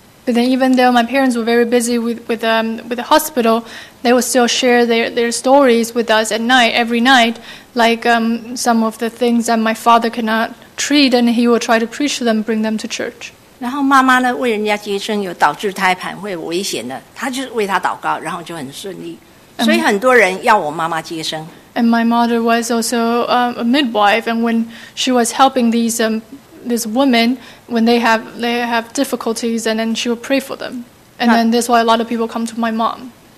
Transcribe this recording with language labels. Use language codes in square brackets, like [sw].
[en] But then even though my parents were very busy with the hospital, they would still share their stories with us at night, every night, like some of the things that my father cannot treat, and he would try to preach to them, bring them to church. [zh] 然后妈妈呢, 为人家接生有导致胎盘会危险的, 她就为她祷告, 然后就很顺利。所以很多人要我妈妈接生。 [en] And my mother was also a midwife, and when she was helping these women, when they have difficulties, and then she would pray for them. And then that's why a lot of people come to my mom.